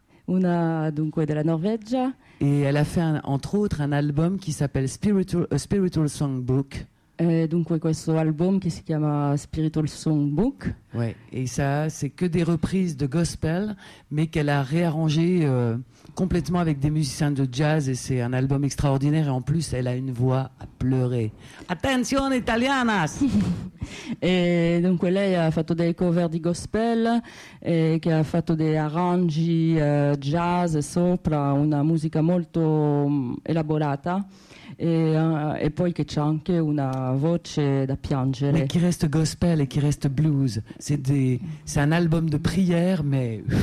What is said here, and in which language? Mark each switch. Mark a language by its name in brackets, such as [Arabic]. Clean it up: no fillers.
[Italian] Una dunque della Norvegia. [French] Et elle a fait entre autres un album qui s'appelle Spiritual Songbook. [Italian] Dunque questo album che si chiama Spiritual Songbook. [French] Ouais. Et ça, c'est que des reprises de gospel, mais qu'elle a réarrangées complètement avec des musiciens de jazz. Et c'est un album extraordinaire. Et en plus, elle a une voix à pleurer. Attention, italianas! Et donc, elle a fait des covers de gospel et qui a fait des arrangis jazz sopra, une musique [Italian] molto elaborata. E poi che c'è anche una voce da piangere. [French] Mais qui reste gospel et qui reste blues. C'est un album de prière, mais.